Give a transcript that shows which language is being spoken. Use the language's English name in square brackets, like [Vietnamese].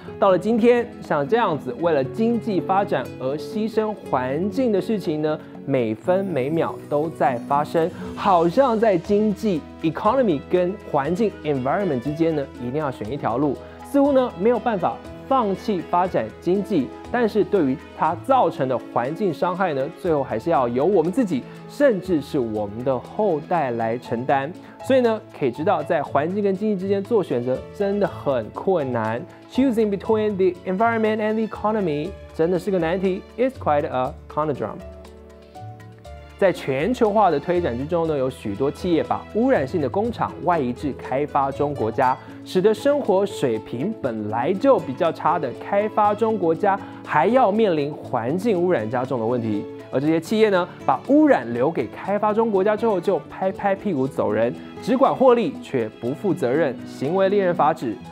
[Chinese] 到了今天，像这样子为了经济发展而牺牲环境的事情呢，每分每秒都在发生，好像在经济 economy 跟环境 environment 之间呢，一定要选一条路，似乎呢没有办法放弃发展经济，但是对于它造成的环境伤害呢，最后还是要由我们自己，甚至是我们的后代来承担。所以呢，可以知道在环境跟经济之间做选择真的很困难。 [English] Choosing between the environment and the economy [Chinese] 真的是个难题， [English] It's quite a conundrum。 [Chinese] 在全球化的推展之中呢，有许多企业把污染性的工厂外移至开发中国家，使得生活水平本来就比较差的开发中国家还要面临环境污染加重的问题。而这些企业呢，把污染留给开发中国家之后就拍拍屁股走人，只管获利却不负责任，行为令人发指。